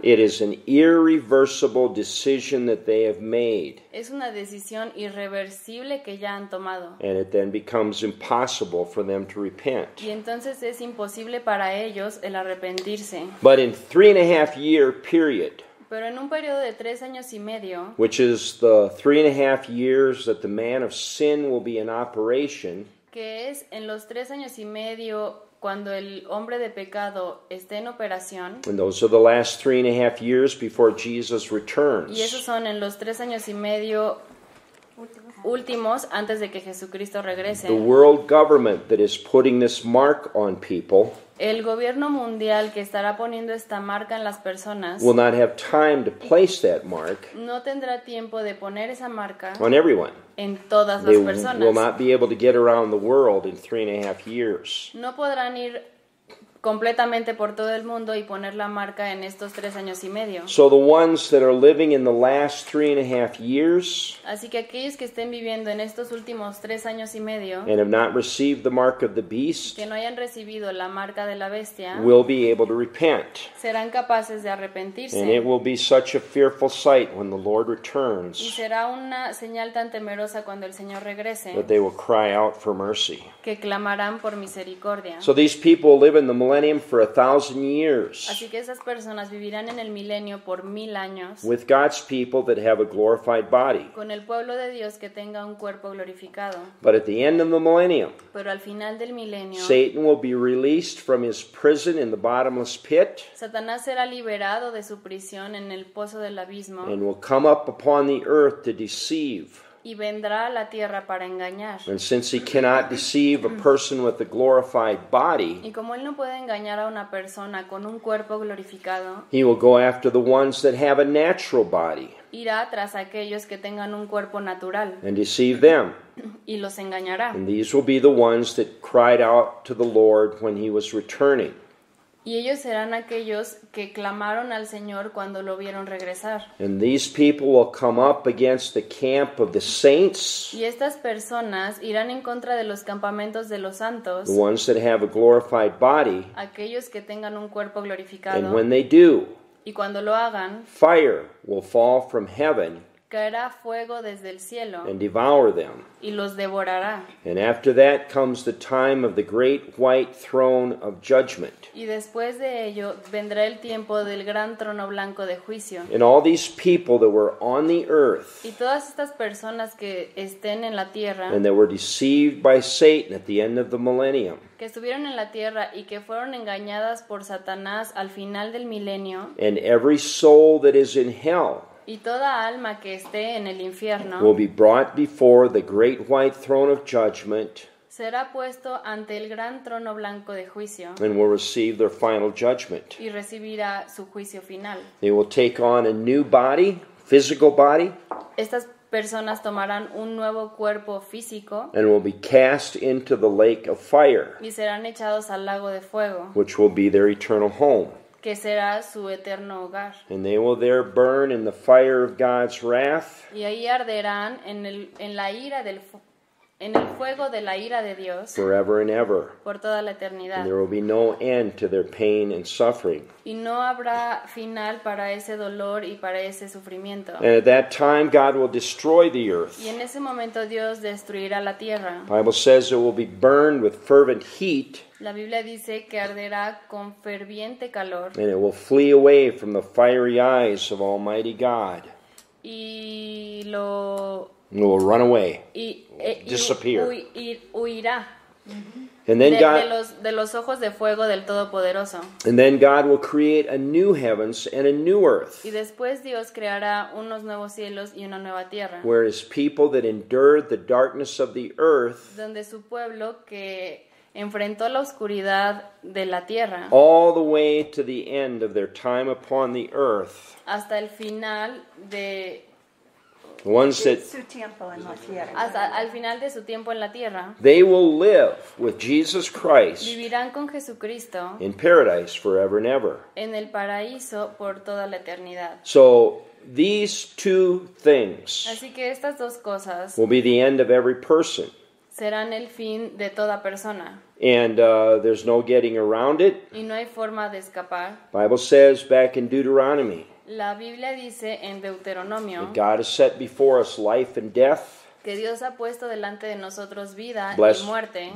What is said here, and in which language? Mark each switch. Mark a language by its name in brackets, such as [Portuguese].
[English] It is an irreversible decision that they have made. [Spanish] Es una decisión irreversible que ya han tomado. [English] And it then becomes impossible for them to repent. [Spanish] Y entonces es imposible para ellos el arrepentirse. [English] But in 3.5 year period. [Spanish] Pero en un periodo de 3.5 años. [English] Which is the 3.5 years that the man of sin will be in operation. [Spanish] Que es en los 3.5 cuando el hombre de pecado esté en operación. [English] And those are the last 3.5 years before Jesus returns. [Spanish] Y esos son en los 3.5 últimos antes de que Jesucristo regrese. [English] The world government that is putting this mark on people. [Spanish] El gobierno mundial que estará poniendo esta marca en las personas. [English] Will not have time to place that mark. [Spanish] No tendrá tiempo de poner esa marca. [English] On everyone. [Spanish] En todas [English] they [Spanish] las personas. [English] Will not be able to get around the world in 3.5 years. [Spanish] No podrán ir completamente por todo el mundo y poner la marca en estos 3.5. [English] So the ones that are living in the last 3.5 years. [Spanish] Así que aquellos que estén viviendo en estos últimos 3.5. [English] And have not received the mark of the beast. [Spanish] Que no hayan recibido la marca de la bestia. [English] Will be able to repent. [Spanish] Serán capaces de arrepentirse. [English] And it will be such a fearful sight when the Lord returns. [Spanish] Y será una señal tan temerosa cuando el Señor regrese. [English] That they will cry out for mercy. [Spanish] Que clamarán por misericordia. [English] So these people live in the millennium for 1,000 years. [Spanish] Así que esas personas vivirán en el milenio por 1,000 años. [English] With God's people that have a glorified body. [Spanish] Con el pueblo de Dios que tenga un cuerpo glorificado. [English] But at the end of the millennium. [Spanish] Pero al final del milenio. [English] Satan will be released from his prison in the bottomless pit. [Spanish] Satanás será liberado de su prisión en el pozo del abismo. [English] And will come up upon the earth to deceive. [Spanish] Y vendrá a la tierra para engañar. [English] And since he cannot deceive a person with a glorified body. [Spanish] Y como él no puede engañar a una persona con un cuerpo glorificado. [English] He will go after the ones that have a natural body. [Spanish] Irá tras aquellos que tengan un cuerpo natural. [English] And deceive them. [Spanish] Y los engañará. [English] And these will be the ones that cried out to the Lord when he was returning. [Spanish] Y ellos serán aquellos que clamaron al Señor cuando lo vieron regresar. [English] And these people will come up against the camp of the saints. [Spanish] Y estas personas irán en contra de los campamentos de los santos. [English] The ones that have a glorified body. [Spanish] Aquellos que tengan un cuerpo glorificado. [English] And when they do. [Spanish] Y cuando lo hagan. [English] Fire will fall from heaven. [Spanish] Caerá fuego desde el cielo. [English] And devour them. [Spanish] Y los devorará. [English] And after that comes the time of the great white throne of judgment. [Spanish] Y después de ello vendrá el tiempo del gran trono blanco de juicio. [English] And all these people that were on the earth. [Spanish] Y todas estas personas que estén en la tierra. [English] And that were deceived by Satan at the end of the millennium. [Spanish] Que estuvieron en la tierra y que fueron engañadas por Satanás al final del milenio. [English] And every soul that is in hell. [Spanish] Y toda alma que esté en el infierno [English] will be brought before the great white throne of judgment. [Spanish] Será puesto ante el gran trono blanco de juicio. [English] And will receive their final judgment. [Spanish] Y recibirá su juicio final. [English] They will take on a new body, physical body. [Spanish] Estas personas tomarán un nuevo cuerpo físico. [English] And will be cast into the lake of fire. [Spanish] Y serán echados al lago de fuego. [English] Which will be their eternal home. [Spanish] Que será su eterno hogar. [English] And they will there burn in the fire of God's wrath. [Spanish] Y ahí arderán en la ira del en el fuego de la ira de Dios, [English] forever and ever, [Spanish] por toda la eternidad. [English] And there will be no end to their pain and suffering. [Spanish] Y no habrá final para ese dolor y para ese sufrimiento. [English] And at that time, God will destroy the earth. [Spanish] Y en ese momento Dios destruirá la tierra. [English] The Bible says it will be burned with fervent heat. [Spanish] La Biblia dice que arderá con ferviente calor. [English] And it will flee away from the fiery eyes of Almighty God. [Spanish] Y lo [English] and will run away. [Spanish] Y, [English] disappear. [Spanish] Huirá. [English] And then God, [Spanish] de los ojos de fuego del Todopoderoso. [English] And then God will create a new heavens and a new earth. [Spanish] Y después Dios creará unos nuevos cielos y una nueva tierra. [English] Where his people that endured the darkness of the earth. [Spanish] Donde su pueblo que enfrentó la oscuridad de la tierra. [English] All the way to the end of their time upon the earth. [Spanish] Hasta el final de [English] the ones that, [Spanish] su tiempo en la tierra. Hasta al final de su tiempo en la tierra. [English] They will live with Jesus Christ. [Spanish] Vivirán con Jesucristo. [English] In paradise forever and ever. [Spanish] En el paraíso por toda la eternidad. [English] So these two things. [Spanish] Así que estas dos cosas. [English] Will be the end of every person. [Spanish] Serán el fin de toda persona. [English] And there's no getting around it. [Spanish] Y no hay forma de escapar. [English] Bible says back in Deuteronomy. [Spanish] La Biblia dice en Deuteronomio. [English] That God has set before us life and death. [Spanish] Que Dios ha puesto delante de nosotros vida y muerte.